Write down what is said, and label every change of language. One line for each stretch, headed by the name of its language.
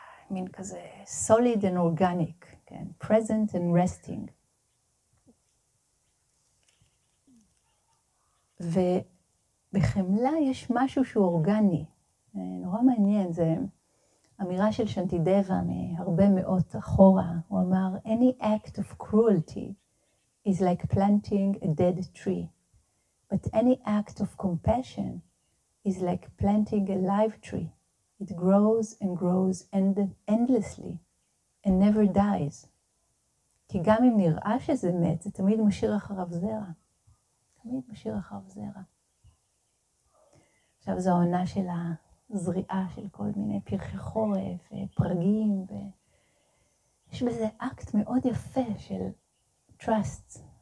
Hebrew: מין כזה
English: solid and organic,
Hebrew: כן?
English: Present and resting.
Hebrew: ובחמלה יש משהו שהוא אורגני. נורא מעניין, זה אמירה של שנטידבה מהרבה מאות אחורה. הוא אמר,
English: any act of cruelty is like planting a dead tree, but any act of compassion is like planting a live tree. It grows and grows endlessly and never dies.
Hebrew: כי גם אם נראה שזה מת, זה תמיד משאיר אחריו זרע. תמיד משאיר אחריו זרע. עכשיו זו העונה של הזריעה של כל מיני פרחי חורף ופרגים. יש בזה אקט מאוד יפה של trust.